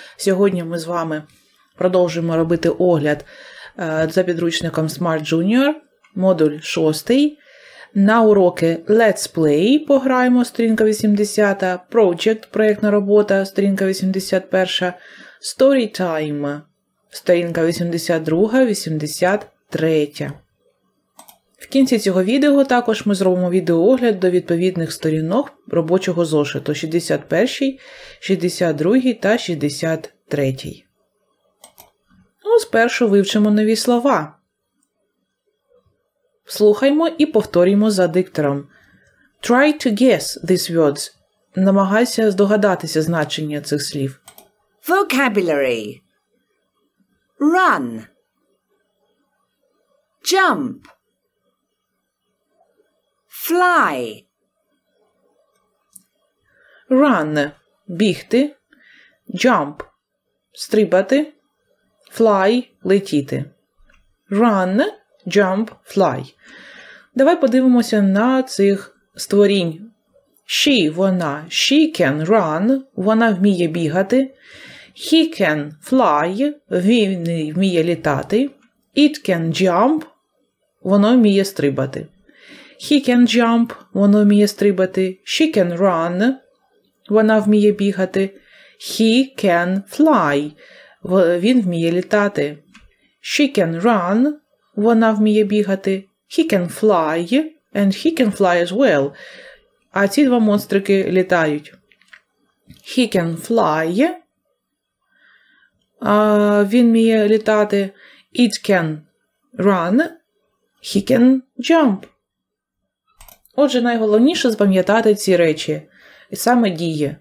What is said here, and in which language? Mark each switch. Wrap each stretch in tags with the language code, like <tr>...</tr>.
<uk>Сьогодні ми з вами продовжуємо робити огляд за підручником Smart Junior, модуль 6. На уроки</uk> <en>Let's Play</en> <uk>пограємо, сторінка 80. Project, проєктна робота, сторінка 81. Story Time, сторінка 82, 83. В кінці цього відео також ми зробимо відеоогляд до відповідних сторінок робочого зошиту 61, 62 та 63. Ну, спершу вивчимо нові слова. Слухаймо і повторюємо за диктором.</uk> <en>Try to guess these words.</en> <uk>Намагайся здогадатися значення цих слів.</uk> <en>Vocabulary. Run. Jump. Fly.</en> <uk>Run – бігти, jump – стрибати, fly – летіти.</uk> <en>Run, jump, fly.</en> <uk>Давай подивимося на цих створінь. She – вона.</uk> <en>She can run</en> <uk>– вона вміє бігати.</uk> <en>He can fly</en> <uk>– він вміє літати.</uk> <en>It can jump</en> <uk>– воно вміє стрибати.</uk> <en>He can jump,</en> <uk>воно вміє стрибати.</uk> <en>She can run,</en> <uk>вона вміє бігати.</uk> <en>He can fly,</en> <uk>він вміє літати.</uk> <en>She can run,</en> <uk>вона вміє бігати.</uk> <en>He can fly, and he can fly as well.</en> <uk>А ці два монстрики літають.</uk> <en>He can fly,</en> <uk>він вміє літати.</uk> <en>It can run, he can jump.</en> <uk>Отже, найголовніше запам'ятати ці речі. І саме дії.</uk>